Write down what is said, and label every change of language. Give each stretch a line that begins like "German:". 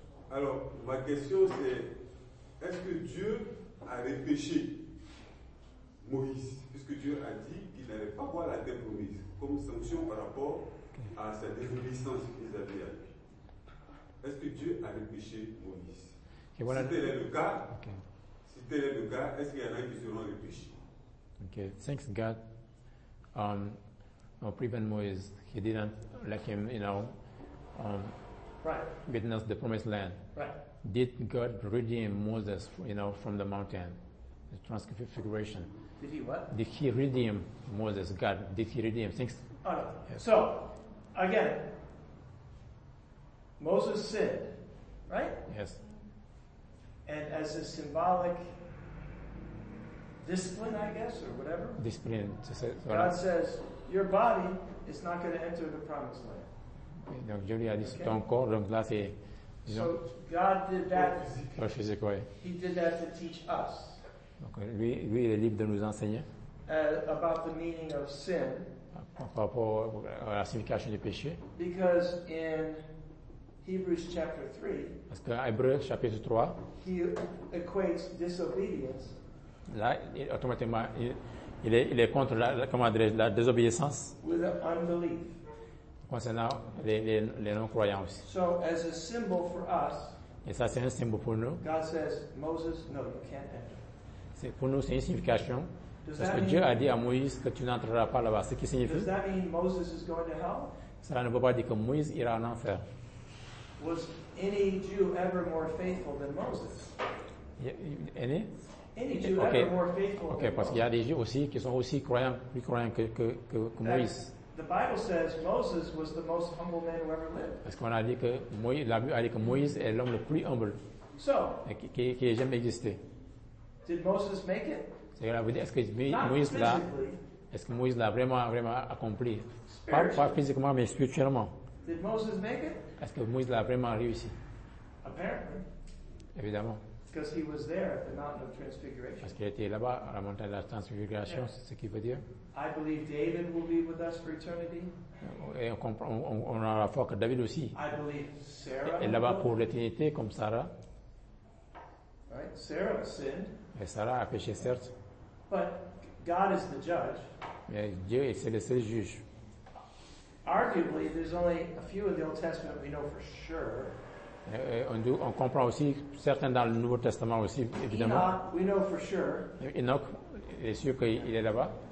French: Alors, ma question c'est, est-ce que Dieu a repêché Moïse, puisque Dieu a dit qu'il n'allait pas voir la terre promise comme sanction par rapport à sa désobéissance vis-à-vis à lui. Est-ce que Dieu a repêché Moïse?
English: Okay, well,
French: si tel est le cas, est-ce qu'il y en a qui seront repêchés?
English: Okay, thanks God. Our prevent Moïse, he didn't let him, you know, witness the promised land. Right. Did God redeem Moses, you know, from the mountain? The transfiguration. Did he what? Did he redeem Moses, God? Did he redeem things? Oh, no. Yes. So, again, Moses sinned, right? Yes. And as a symbolic discipline, I guess, or whatever. Discipline. To say, God right. says, your body is not going to enter the promised land. Okay.
French: Donc, Julie a dit, ton corps, donc là, c'est,
English: you know, so, God did that.
French: Pour physique, oui.
English: He did that to teach us.
French: Donc, lui, il est libre de nous enseigner.
English: About the meaning of sin.
French: Par rapport à la signification du péché.
English: Because in Hebrews chapter 3.
French: Parce que Hébreux chapitre 3.
English: He equates disobedience.
French: Là, automatiquement, il est contre la désobéissance.
English: With unbelief.
French: Concernant les non-croyants aussi.
English: So, as a symbol for us.
French: Et ça, c'est un symbole pour nous.
English: God says, Moses, no, you can't enter.
French: C'est pour nous, c'est une signification. Parce que Dieu a dit à Moïse que tu n'entreras pas là-bas. Ce qui signifie?
English: Does that mean Moses is going to hell?
French: Cela ne veut pas dire que Moïse ira en enfer.
English: Was any Jew ever more faithful than Moses? Any Jew okay. ever more faithful okay, than Moses?
French: Parce qu'il y a des Jews aussi qui sont aussi croyants, plus croyants que Moïse.
English: The Bible says Moses was the most humble man who ever lived.
French: Parce qu'on a dit que Moïse est l'homme le plus humble.
English: So,
French: qui a jamais existé.
English: Did Moses make it?
French: Est-ce que Moïse l'a vraiment accompli? Pas physiquement, mais spirituellement.
English: Did Moses make it?
French: Est-ce que Moïse l'a vraiment réussi?
English: Apparently.
French: Évidemment.
English: Because he was there at the mountain of transfiguration.
French: Parce qu'il était là-bas à la montagne de la transfiguration, yeah. C'est ce qu'il veut dire.
English: I believe David will be with us for eternity.
French: Et on comprend, on a la foi que David aussi.
English: I believe Sarah.
French: Et là-bas pour l'éternité comme Sarah.
English: Right? Sarah sinned.
French: Et Sarah a péché certes.
English: But God is the judge.
French: Mais Dieu est le seul juge.
English: Arguably, there's only a few in the Old Testament we know for sure.
French: On comprend aussi certains dans le Nouveau Testament aussi évidemment.
English: Enoch, we know for sure.
French: Enoch, il est sûr qu'il est là-bas.